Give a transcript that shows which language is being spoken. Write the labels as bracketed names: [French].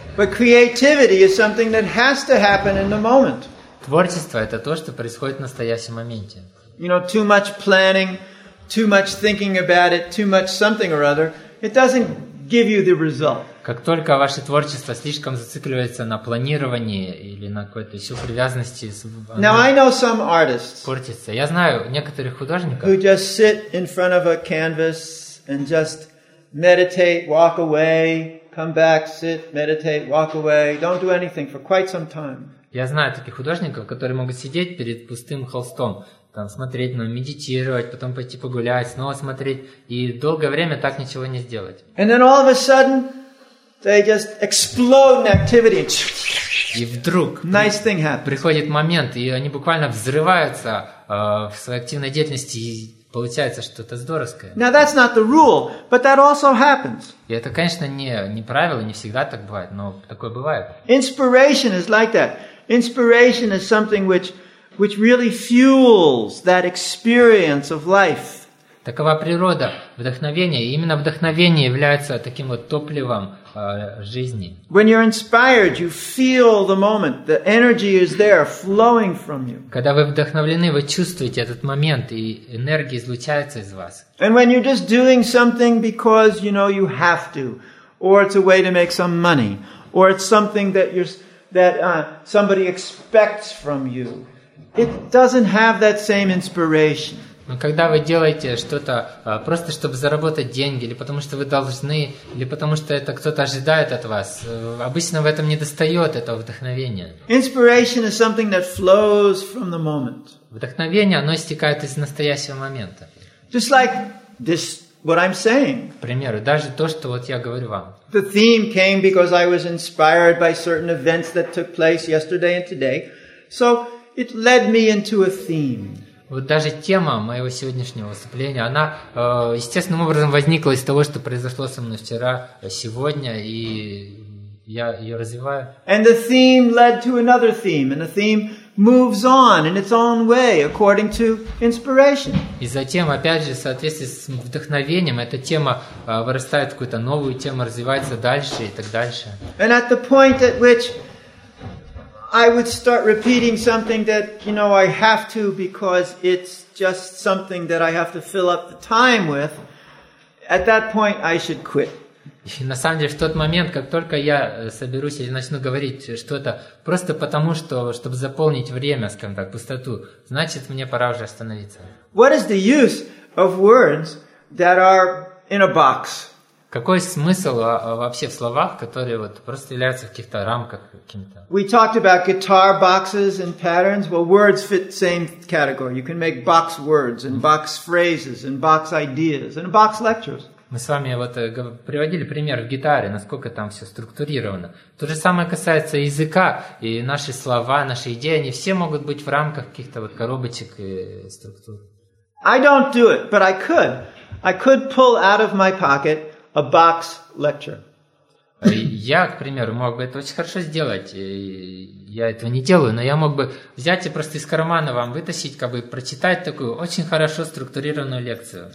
[English] But creativity is something that has to happen in the moment. [Russian] Творчество это то, что происходит в настоящем моменте. [English] You know, too much planning, too much thinking about it, too much something or other, it doesn't give you the result. [Russian] Как только ваше творчество слишком зацикливается на планировании или на какой-то еще привязанности, [English] Now, I know some artists, [Russian] портится. Я знаю некоторых художников, [English] who just sit in front of a canvas and just meditate, walk away, come back, sit, meditate, walk away, don't do anything for quite some time. [Russian] Я знаю таких художников, которые могут сидеть перед пустым холстом, там смотреть, медитировать, потом пойти погулять, снова смотреть и долгое время так ничего не сделать. [English] And then all of a sudden they just explode in activity. [Russian] И вдруг [English] nice thing happens. [Russian] Приходит момент, и они буквально взрываются в своей активной деятельности, и получается что-то здоровское. [English] Now that's not the rule, but that also happens. [Russian] И это, конечно, не правило, не всегда так бывает, но такое бывает. [English] Inspiration is like that. Inspiration is something which really fuels that experience of life. [Russian] Такова природа вдохновения, и именно вдохновение является таким вот топливом жизни. [English] When you're inspired, you feel the moment. The energy is there, flowing from you. [Russian] Когда вы вдохновлены, вы чувствуете этот момент, и энергия излучается из вас. [English] And when you're just doing something because you know you have to, or it's a way to make some money, or it's something that somebody expects from you, it doesn't have that same inspiration. [Russian] Но когда вы делаете что-то просто чтобы заработать деньги, или потому что вы должны, или потому что это кто-то ожидает от вас, обычно в этом не достает этого вдохновения. [English] Inspiration is something that flows from the moment. [Russian] Вдохновение, оно истекает из настоящего момента. [English] Just like this, what I'm saying. [Russian] К примеру, даже то, что вот я говорю вам. [English] The theme came because I was inspired by certain events that took place yesterday and today. So it led me into a theme. [Russian] Вот даже тема моего сегодняшнего выступления, она естественным образом возникла из того, что произошло со мной вчера, сегодня, и я ее развиваю. [English] And the theme led to another theme, and the theme moves on in its own way, according to inspiration. [Russian] И затем, опять же, в соответствии с вдохновением, эта тема вырастает в какую-то новую тему, развивается дальше и так дальше. [English] And at the point at which I would start repeating something that, you know, I have to because it's just something that I have to fill up the time with, at that point I should quit. [Russian] И на самом деле в тот момент, как только я соберусь или начну говорить что-то просто потому, что, чтобы заполнить время, скажем так, пустоту, значит мне пора уже остановиться. [English] What is the use of words that are in a box? [Russian] Какой смысл вообще в словах, которые вот просто являются в каких-то рамках каким-то? [English] We talked about guitar boxes and patterns. Well, words fit the same category. You can make box words and box phrases and box ideas and box lectures. [Russian] Мы с вами вот приводили пример в гитаре, насколько там все структурировано. То же самое касается языка, и наши слова, наши идеи, они все могут быть в рамках каких-то вот коробочек и структур. [English] I don't do it, but I could. I could pull out of my pocket a box lecture. [Russian] Я, к примеру, мог бы это очень хорошо сделать. Я этого не делаю, но я мог бы взять и просто из кармана вам вытащить, как бы прочитать такую очень хорошо структурированную лекцию.